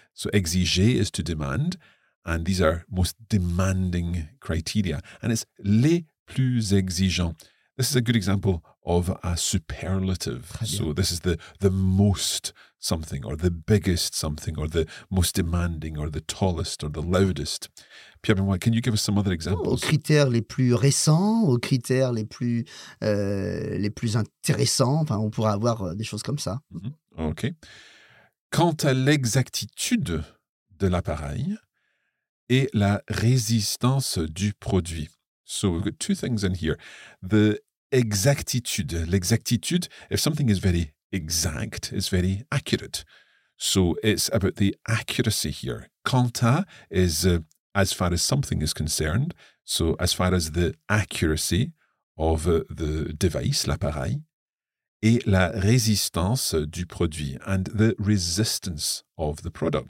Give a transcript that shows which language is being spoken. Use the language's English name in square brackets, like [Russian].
[English] So exiger is to demand, and these are most demanding criteria. And it's [French] les plus exigeant. [English] This is a good example of a superlative. So this is the most something or the biggest something or the most demanding or the tallest or the loudest. Pierre-Benoît, can you give us some other examples? [French] Aux critères les plus récents, aux critères les plus intéressants. Enfin, on pourrait avoir des choses comme ça. Mm-hmm. OK. Quant à l'exactitude de l'appareil et la résistance du produit. [English] So we've got two things in here. The exactitude. L'exactitude, if something is very exact, it's very accurate. So it's about the accuracy here. Quant à is as far as something is concerned. So as far as the accuracy of the device, l'appareil, [French] et la résistance du produit, [English] and the resistance of the product.